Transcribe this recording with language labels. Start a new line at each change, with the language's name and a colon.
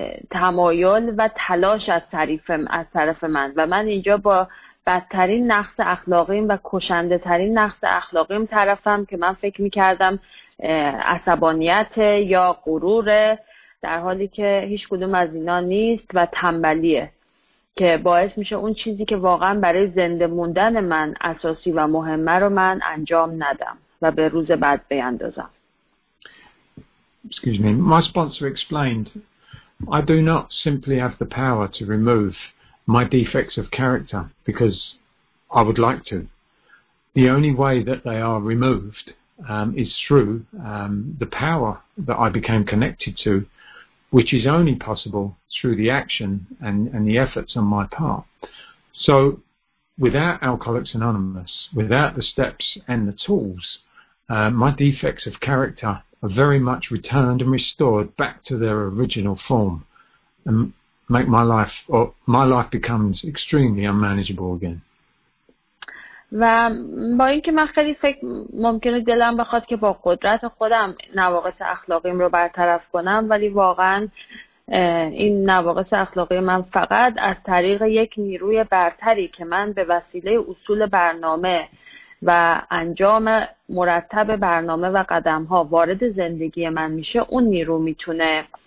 Persian: تمایل و تلاش از طرف من و من اینجا با بدترین نقص اخلاقیم و کشنده ترین نقص اخلاقیم طرفم که من فکر میکردم عصبانیت یا غرور در حالی که هیچ کدوم از اینا نیست و تنبلیه که باعث میشه اون چیزی که واقعا برای زنده موندن من اساسی و مهمه رو من انجام ندم و به روز بعد بیندازم.
English: Excuse me. My sponsor explained, I do not simply have the power to remove my defects of character because I would like to. The only way that they are removed is through the power that I became connected to, which is only possible through the action and the efforts on my part. So without Alcoholics Anonymous, without the steps and the tools, my defects of character are very much returned and restored back to their original form and make my life becomes extremely unmanageable again.
Persian: و با اینکه من خیلی فکر ممکنه دلم بخواد که با قدرت خودم نواقص اخلاقیم رو برطرف کنم ولی واقعا این نواقص اخلاقی من فقط از طریق یک نیروی برتری که من به وسیله اصول برنامه و انجام مرتب برنامه و قدم‌ها وارد زندگی من میشه اون نیرو میتونه